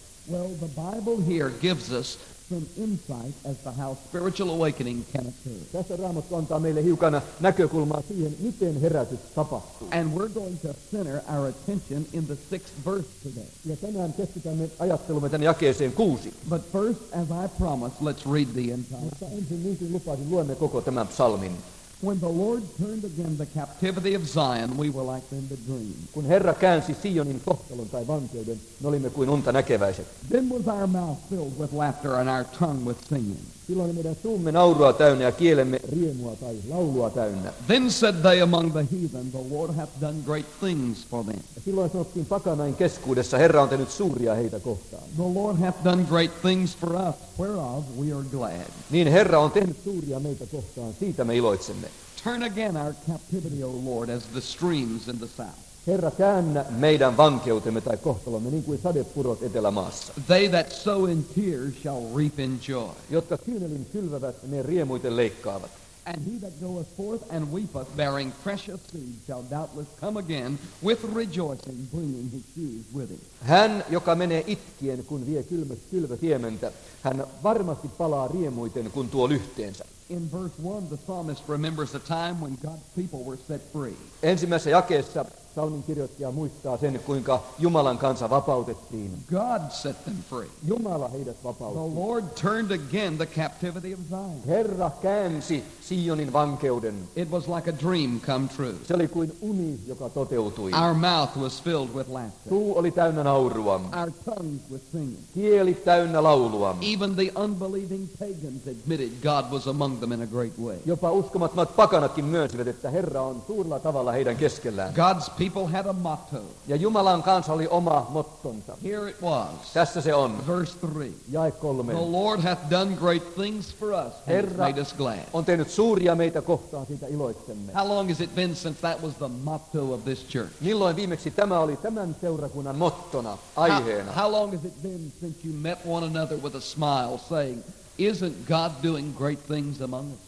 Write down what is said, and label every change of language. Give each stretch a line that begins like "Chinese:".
English: Well, the Bible here gives us some insight as to how spiritual awakening can occur.
Finnish: Tässä Raamattu antaa meille hiukan näkökulmaa siihen, miten herätys tapahtuu.
English: And we're going to center our attention in the sixth verse today.
Finnish: Ja tänään keskitymme ajattelumme tänne jakeeseen 6.
English: But first, as I promised, let's read the entire.
Finnish: Mutta ensin niin kuin lupasin, luemme koko tämän psalmin.
English: When the Lord turned again the captivity of Zion, we were like them to dream.
Finnish: Kun Herra käänsi Sionin kohtalon tai vankeuden, me olimme kuin unta näkeväiset.
English: Then was our mouth filled with laughter and our tongue with singing.
Finnish: Silloin meidän suumme naurua täynnä ja kielemme riemua tai laulua täynnä.
English: Then said they among the heathen, the Lord hath done great things for them.
Finnish: Silloin sanottiin pakanain keskuudessa, Herra on tehnyt suuria heitä kohtaan.
English: The Lord hath done great things for us, whereof we are glad.
Finnish: Niin Herra on tehnyt suuria meitä kohtaan, siitä me iloitsemme.
English: Turn again our captivity, O Lord, as the streams in the south.
Finnish: Herra, käännä meidän vankeutemme tai kohtalomme niin kuin sadepurot etelämaassa.
English: They that sow in tears shall reap in joy.
Finnish: Jotka kyynelin kylvävät, ne riemuiten leikkaavat.
English: And he that goeth forth and weepeth, bearing precious seed, shall doubtless come again with rejoicing, bringing his sheaves with him.
Finnish: Hän, joka menee itkien, kun vie kylvä siementä, hän varmasti palaa riemuiten, kun tuo lyhteensä.
English: In verse 1, the psalmist remembers the time when God's people were set free.
Finnish: Ensimmäisessä jakeessa psalmin kirjoittaja muistaa sen, kuinka Jumalan kansa vapautettiin.
English: God set them free.
Finnish: Jumala heidät vapautti.
English: The Lord turned again the captivity of Zion.
Finnish: Herra käänsi Sionin vankeuden.
English: It was like a dream come true.
Finnish: Se oli kuin uni, joka toteutui.
English: Our mouth was filled with laughter.
Finnish: Suu oli täynnä naurua.
English: Our tongues were singing.
Finnish: Kieli täynnä laulua.
English: Even the unbelieving pagans admitted God was among them in a great way.
Finnish: Jopa uskomattomat pakanatkin myönsivät, että Herra on suurella tavalla heidän keskellään.
English: God's people had a motto.
Finnish: Ja Jumalan kansa oli oma mottonsa.
English: Here it was.
Finnish: Tässä se on.
English: Verse 3.
Finnish: Jae 3.
English: The Lord hath done great things for us,
Finnish: Herra,
English: and made us glad.
Finnish: On tehnyt suuria meitä kohtaan, siitä iloitsemme.
English: How long has it been since that was the motto of this church?
Finnish: Milloin viimeksi tämä oli tämän seurakunnan mottona, aiheena?
English: How long has it been since you met one another with a smile saying, isn't God doing great things among us?